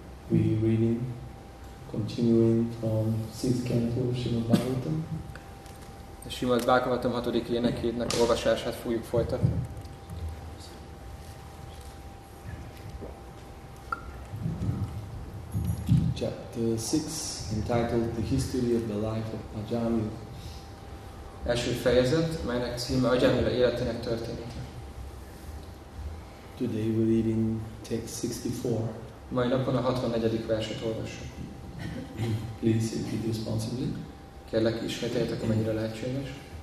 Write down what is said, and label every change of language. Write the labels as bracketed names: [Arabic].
[English] We reading, continuing from sixth canto of Srimad Bhagavatam. [Hungarian] A Srimad Bhagavatam 6. énekének olvasását fogjuk folytatni. [English] Chapter 6, entitled The History of the Life of Ajamil. [Hungarian] Első fejezet, melynek címe Ajamil életének története. [English] Today we're reading text 64. [Hungarian] Mai napon a 64. verset olvassuk. [English] Please repeat responsibly. [Hungarian] Kérlek, ismételjétek, amennyire lehetséges.